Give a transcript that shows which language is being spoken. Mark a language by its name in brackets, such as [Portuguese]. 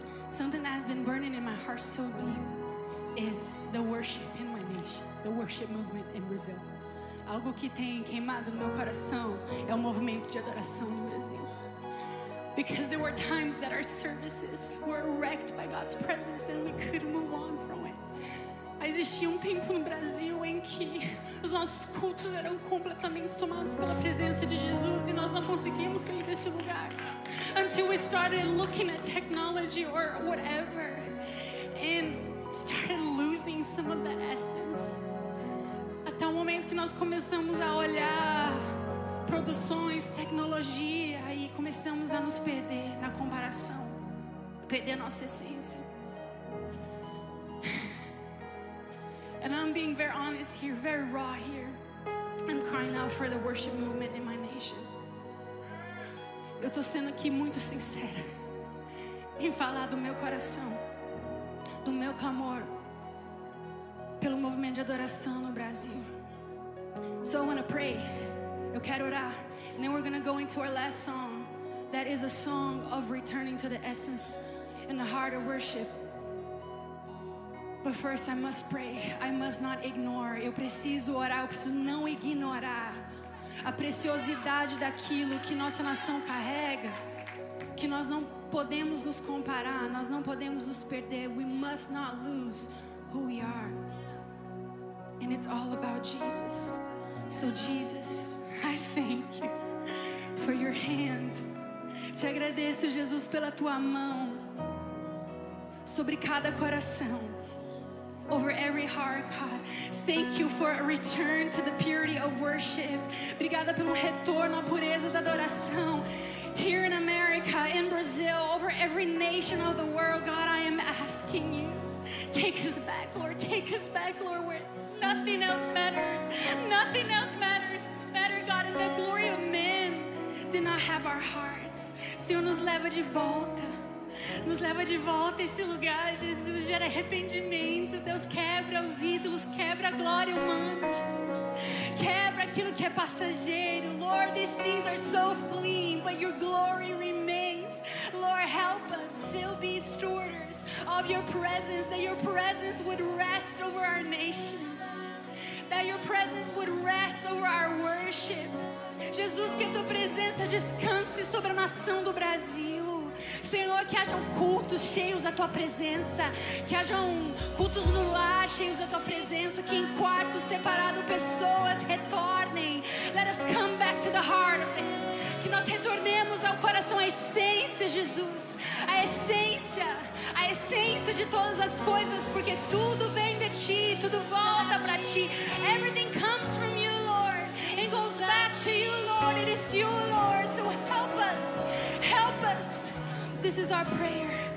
[English] Something that has been burning in my heart so deep is the worship in my nation, the worship movement in Brazil. [Portuguese] Algo que tem queimado no meu coração é o movimento de adoração no Brasil. [English] Because there were times that our services were wrecked by God's presence and we couldn't move on from it. [Portuguese] Existia um tempo no Brasil em que os nossos cultos eram completamente tomados pela presença de Jesus e nós não conseguíamos sair desse lugar. [English] Until we started looking at technology or whatever and started losing some of that essence. [Portuguese] Até o momento que nós começamos a olhar produções, tecnologia, e começamos a nos perder na comparação, perder nossa essência. [English] And I'm being very honest here, very raw here. I'm crying out for the worship movement in my nation. [Portuguese] Eu tô sendo aqui muito sincera em falar do meu coração, do meu clamor pelo movimento de adoração no Brasil. [English] So I want to pray. [Portuguese] Eu quero orar. [English] And then we're going to go into our last song, that is a song of returning to the essence and the heart of worship. But first I must pray. I must not ignore. [Portuguese] Eu preciso orar. Eu preciso não ignorar a preciosidade daquilo que nossa nação carrega, que nós não podemos nos comparar, nós não podemos nos perder. [English] We must not lose who we are. And it's all about Jesus. So Jesus, I thank you for your hand. [Portuguese] Te agradeço, Jesus, pela tua mão sobre cada coração. [English] Over every heart, God. Thank you for a return to the purity of worship. [Portuguese] Obrigada pelo retorno à pureza da adoração. [English] Here in America, in Brazil, over every nation of the world, God, I am asking you, take us back, Lord. Take us back, Lord, where nothing else matters. Nothing else matters. Matter, God, and the glory of men did not have our hearts. [Portuguese] Senhor, nos leva de volta. Nos leva de volta a esse lugar, Jesus. Gera arrependimento. Deus, quebra os ídolos, quebra a glória humana, Jesus. Quebra aquilo que é passageiro. [English] Lord, these things are so fleeting, but your glory remains. Lord, help us still be stewards of your presence, that your presence would rest over our nations, that your presence would rest over our worship. [Portuguese] Jesus, que a tua presença descanse sobre a nação do Brasil. Senhor, que hajam cultos cheios da tua presença. Que hajam cultos no ar cheios da tua presença. Que em quartos separados pessoas retornem. [English] Let us come back to the heart of it. [Portuguese] Que nós retornemos ao coração, à essência, Jesus. A essência de todas as coisas. Porque tudo vem de ti, tudo volta para ti. [English] Everything comes from you, Lord. It goes back to you, Lord. It is you, Lord. So help us, help us. This is our prayer.